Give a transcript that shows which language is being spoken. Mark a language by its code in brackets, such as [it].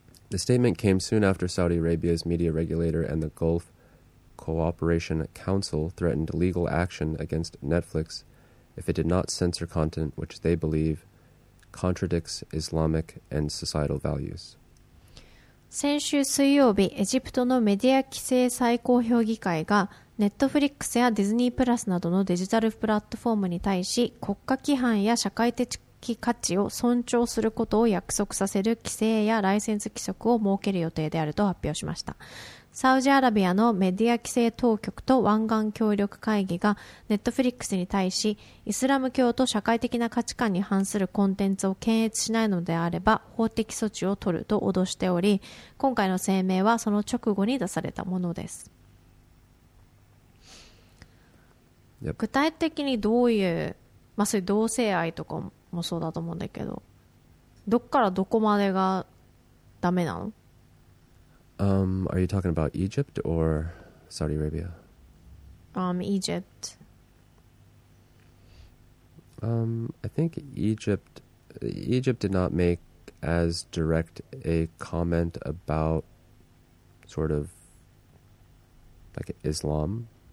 [en] The statement came soon after Saudi Arabia's media regulator and the Gulf Cooperation Council threatened legal action against Netflix if it did not censor content which they believe contradicts Islamic and societal values. [ja] 先週水曜日、エジプトのメディア規制最高評議会が、ネットフリックスやディズニープラスなどのデジタルプラットフォームに対し、国家規範や社会的価値を尊重することを約束させる規制やライセンス規則を設ける予定であると発表しました。サウジアラビアのメディア規制当局と湾岸協力会議がネットフリックスに対し、イスラム教と社会的な価値観に反するコンテンツを検閲しないのであれば法的措置を取ると脅しており、今回の声明はその直後に出されたものです。 [en] Yep. [ja] 具体的にどういう、まあ、それ同性愛とかもそうだと思うんだけど、どっからどこまでがダメなの？ [en] Are you talking about Egypt or Saudi Arabia? Egypt. I think Egypt did not make as direct a comment about sort of like Islam.